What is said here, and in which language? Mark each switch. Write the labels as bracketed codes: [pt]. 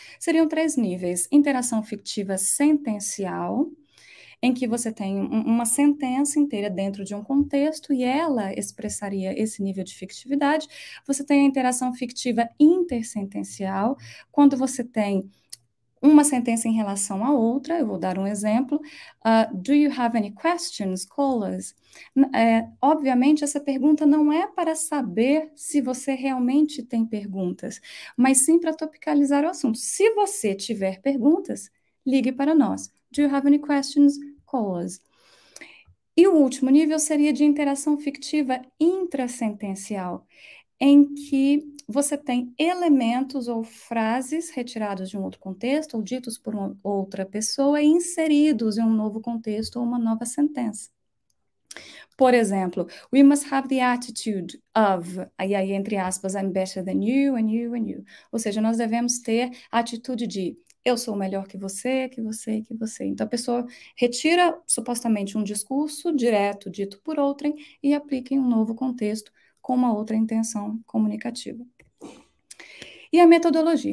[pt] Seriam três níveis: interação fictiva sentencial, em que você tem uma sentença inteira dentro de um contexto e ela expressaria esse nível de fictividade. Você tem a interação fictiva intersentencial, quando você tem uma sentença em relação à outra. Eu vou dar um exemplo. [en] Do you have any questions, callers? [pt] Obviamente, essa pergunta não é para saber se você realmente tem perguntas, mas sim para topicalizar o assunto. Se você tiver perguntas, ligue para nós. [en] Do you have any questions, callers? [pt] E o último nível seria de interação fictiva intrassentencial, em que você tem elementos ou frases retirados de um outro contexto ou ditos por uma outra pessoa e inseridos em um novo contexto ou uma nova sentença. Por exemplo, [en] we must have the attitude of, [pt] e aí entre aspas, [en] I'm better than you, and you, and you. [pt] Ou seja, nós devemos ter a atitude de eu sou melhor que você, que você, que você. Então a pessoa retira supostamente um discurso direto dito por outrem e aplica em um novo contexto com uma outra intenção comunicativa. E a metodologia?